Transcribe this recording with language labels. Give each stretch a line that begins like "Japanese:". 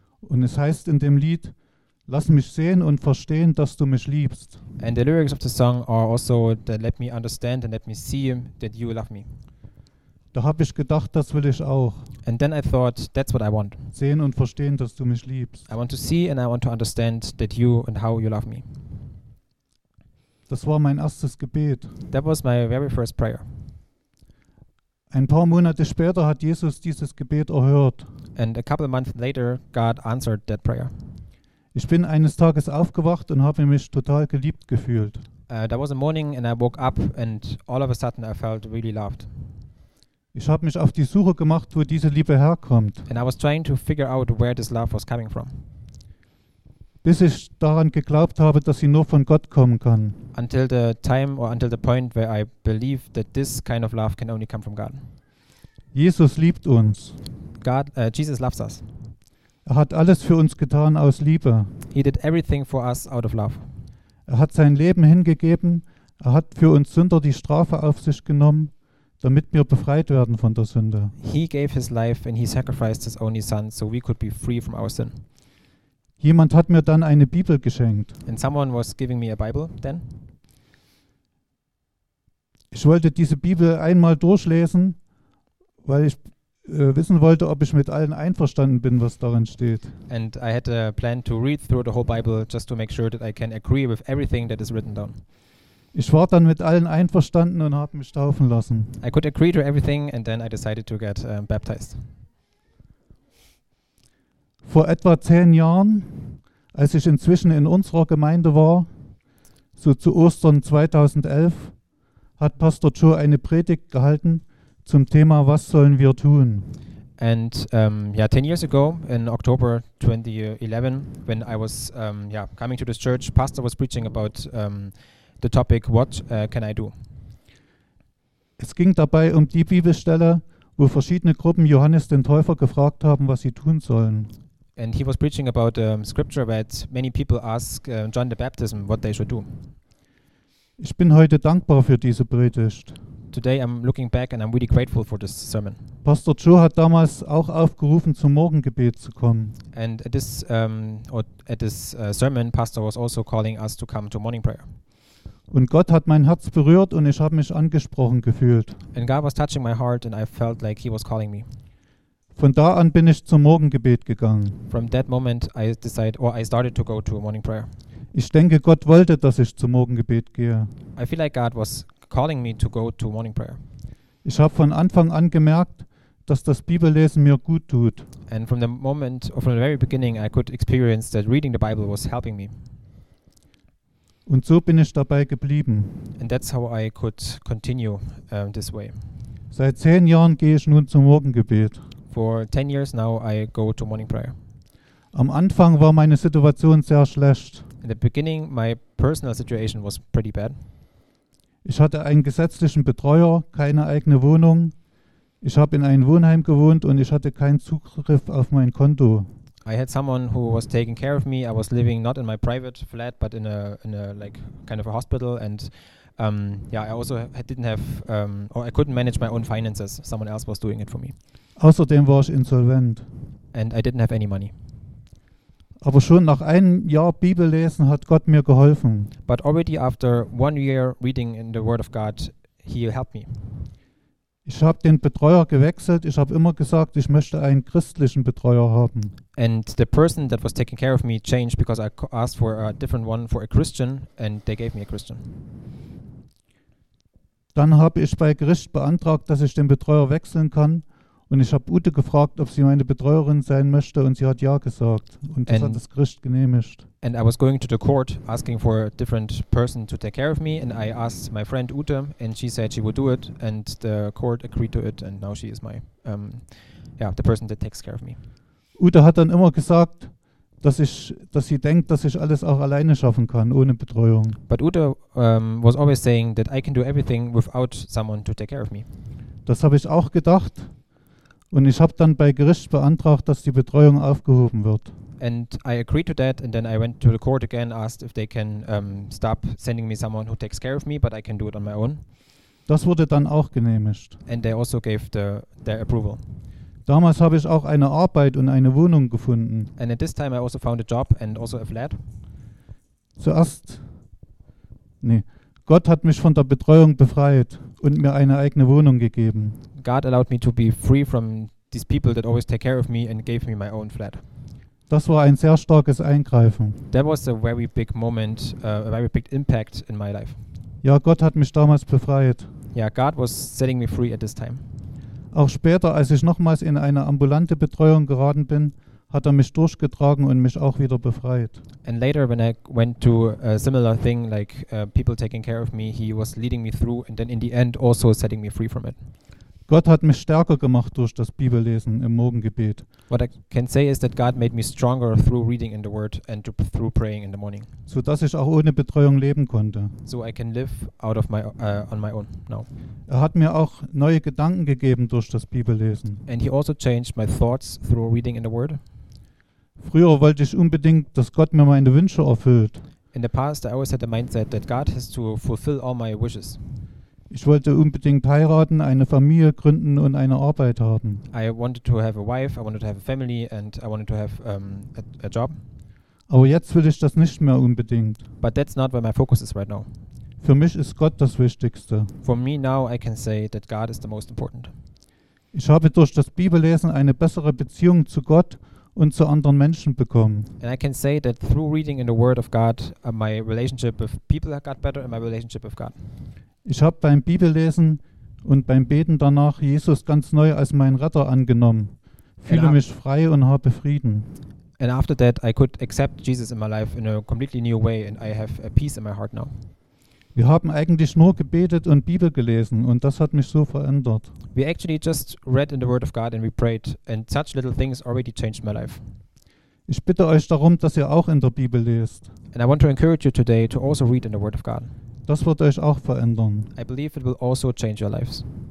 German: Und es heißt in dem Lied: Lass mich sehen und verstehen, dass du mich liebst.
English: And the lyrics of the song are also that let me understand and let me see that you love me.
German: Da habe ich gedacht, das will ich auch.
English: And then I thought, that's what I want.
German: Sehen und verstehen, dass du mich liebst.
English: I want to see and I want to understand that you and how you love me.
German: Das war mein erstes Gebet.
English: That was my very first prayer.
German: Ein paar Monate später hat Jesus dieses Gebet erhört.
English: And a couple of months later, God answered that prayer.
German: Ich bin eines Tages aufgewacht und habe mich total geliebt gefühlt.
English: There was a morning and I woke up and all of a sudden I felt really loved.
German: Ich habe mich auf die Suche gemacht, wo diese Liebe herkommt.
English: And I was trying to figure out where this love was coming from.
German: Bis ich daran geglaubt habe, dass sie nur von Gott kommen kann.
English: Until the time or until the point where I believe that this kind of love can only come from God.
German: Jesus liebt uns.
English: Jesus loves us.
German: Er hat alles für uns getan aus Liebe.
English: He did everything for us out of love.
German: Er hat sein Leben hingegeben. Er hat für uns Sünder die Strafe auf sich genommen, damit wir befreit werden von der Sünde.
English: He gave his life and he sacrificed his only son so we could be free from our sin.
German: Jemand hat mir dann eine Bibel geschenkt.
English: And someone was giving me a Bible then.
German: Ich wollte diese Bibel einmal durchlesen, weil ich wissen wollte, ob ich mit allen einverstanden bin, was darin steht.
English: And I had a plan to read through the whole Bible just to make sure that I can agree with everything that is written down.
German: Ich war dann mit allen einverstanden und habe mich taufen lassen.
English: I could agree to everything and then I decided to get baptized.
German: Vor etwa 10 Jahren, als ich inzwischen in unserer Gemeinde war, so zu Ostern 2011, hat Pastor Joe eine Predigt gehalten zum Thema, was sollen wir tun?
English: And 10 years ago, in October 2011, when I was coming to this church, Pastor was preaching about the topic, what can I do?
German: Es ging dabei um die Bibelstelle, wo verschiedene Gruppen Johannes den Täufer gefragt haben, was sie tun sollen.
English: And he was preaching about a scripture that many people ask John the Baptist what they should do.
German: Ich bin heute dankbar für diese Predigt.
English: Today I'm looking back and I'm really grateful for this sermon.
German: Pastor Joe hat damals auch aufgerufen, zum Morgengebet zu kommen.
English: And at this sermon, Pastor was also calling us to come to morning prayer.
German: Und Gott hat mein Herz berührt und ich habe mich angesprochen gefühlt.
English: And God was touching my heart and I felt like he was calling me.
German: Von da an bin ich zum Morgengebet gegangen.
English: From that moment I started to go to a morning prayer.
German: Ich denke, Gott wollte, dass ich zum Morgengebet gehe.
English: I feel like God was calling me to go to morning prayer.
German: Ich habe von Anfang an gemerkt, dass das Bibellesen mir gut tut.
English: And from the moment or from the very beginning I could experience that reading the Bible was helping me.
German: Und so bin ich dabei geblieben.
English: And that's how I could continue this way.
German: Seit 10 Jahren gehe ich nun zum Morgengebet.
English: For 10 years now I go to morning prayer.
German: Am Anfang war meine Situation sehr schlecht.
English: In the beginning my personal situation was pretty bad.
German: Ich hatte einen gesetzlichen Betreuer, keine eigene Wohnung. Ich habe in einem Wohnheim gewohnt und ich hatte keinen Zugriff auf mein Konto.
English: I had someone who was taking care of me. I was living not in my private flat but in a like kind of a hospital and I also didn't have or I couldn't manage my own finances. Someone else was doing it for me.
German: Außerdem war ich insolvent.
English: And I didn't have any money.
German: Aber schon nach einem Jahr Bibellesen hat Gott mir geholfen.
English: But already after 1 year reading in the Word of God, he helped me.
German: Ich habe den Betreuer gewechselt. Ich habe immer gesagt, ich möchte einen christlichen Betreuer haben.
English: And the person that was taking care of me changed because I asked for a different one, for a Christian, and they gave me a Christian.
German: Dann habe ich bei Gericht beantragt, dass ich den Betreuer wechseln kann. Und ich habe Ute gefragt, ob sie meine Betreuerin sein möchte und sie hat ja gesagt. Und das hat das Gericht genehmigt.
English: And I was going to the court asking for a different person to take care of me and I asked my friend Ute and she said she would do it and the court agreed to it and now she is my, the person that takes care of me.
German: Ute hat dann immer gesagt, dass sie denkt, dass ich alles auch alleine schaffen kann, ohne Betreuung.
English: But Ute was always saying that I can do everything without someone to take care of me.
German: Das habe ich auch gedacht. Und ich habe dann bei Gericht beantragt, dass die Betreuung aufgehoben wird.
English: And I agreed to that and then I went to the court again, asked if they can stop sending me someone who takes care of me, but I can do it on my own.
German: Das wurde dann auch genehmigt.
English: And they also gave their approval.
German: Damals habe ich auch eine Arbeit und eine Wohnung gefunden.
English: And at this time I also found a job and also a flat.
German: Zuerst, nee, Gott hat mich von der Betreuung befreit und mir eine eigene Wohnung gegeben.
English: God allowed me to be free from these people that always take care of me and gave me my own flat.
German: Das war ein sehr starkes Eingreifen.
English: That was a very big moment, a very big impact in my life.
German: Ja, Gott hat mich damals befreit.
English: Yeah, God was setting me free at this time.
German: Auch später, als ich nochmals in eine ambulante Betreuung geraten bin, hat mich durchgetragen und mich auch wieder befreit.
English: And later when I went to a similar thing like people taking care of me, he was leading me through and then in the end also setting me free from it.
German: Gott hat mich stärker gemacht durch das Bibellesen im Morgengebet.
English: What I can say is that God made me stronger through reading in the Word and through praying in the morning.
German: So dass ich auch ohne Betreuung leben konnte.
English: So I can live out of my on my own now.
German: Er hat mir auch neue Gedanken gegeben durch das Bibellesen.
English: And he also changed my thoughts through reading in the Word.
German: Früher wollte ich unbedingt, dass Gott mir meine Wünsche erfüllt.
English: In the past I always had the mindset that God has to fulfill all my wishes.
German: Ich wollte unbedingt heiraten, eine Familie gründen und eine Arbeit haben.
English: I wanted to have a wife, I wanted to have a family and I wanted to have a job.
German: Aber jetzt will ich das nicht mehr unbedingt.
English: But that's not where my focus is right now.
German: Für mich ist Gott das Wichtigste.
English: For me now I can say that God is the most important.
German: Ich habe durch das Bibellesen eine bessere Beziehung zu Gott und zu anderen Menschen bekommen.
English: And I can say that through reading in the Word of God, my relationship with people got better and my relationship with God.
German: Ich habe beim Bibellesen und beim Beten danach Jesus ganz neu als meinen Retter angenommen. Fühle mich frei und habe Frieden.
English: And after that I could accept Jesus in my life in a completely new way and I have a peace in my heart now.
German: Wir haben eigentlich nur gebetet und Bibel gelesen und das hat mich so verändert.
English: We actually just read in the Word of God and we prayed and such little things already changed my life.
German: Ich bitte euch darum, dass ihr auch in der Bibel lest.
English: And I want to encourage you today to also read in the Word of God.
German: Das wird euch auch verändern.
English: I believe it will also change your lives.